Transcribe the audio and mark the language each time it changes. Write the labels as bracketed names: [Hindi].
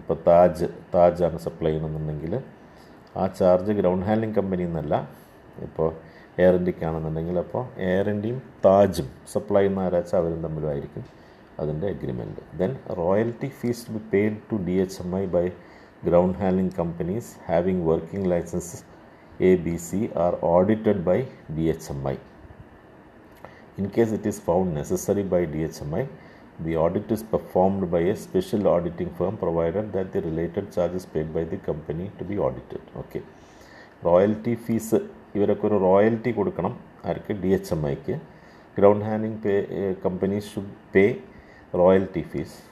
[Malayalam] ഇപ്പോൾ താജാണ് സപ്ലൈ ചെയ്യണമെന്നുണ്ടെങ്കിൽ ആ ചാർജ് ഗ്രൗണ്ട് ഹാൻഡ്ലിങ് കമ്പനി എന്നല്ല, ഇപ്പോൾ എയർ ഇന്ത്യക്കാണെന്നുണ്ടെങ്കിൽ അപ്പോൾ എയർ ഇന്ത്യയും താജും സപ്ലൈ ചെയ്യുന്ന ആരാച്ചാൽ അവരും തമ്മിലുമായിരിക്കും അതിൻ്റെ agreement. [English] Then royalty fees to be paid to D H M I by ground handling companies having working license ABC are audited by DHMI. In case it is found necessary by DHMI, the audit is performed by a special auditing firm provided that the related charges paid by the company to be audited. Okay. [Malayalam] Royalty fees, ഇവരൊക്കെ ഒരു royalty കൊടുക്കണം ആർക്ക്? DHMIക്ക്. [English] Ground handling companies should pay royalty fees.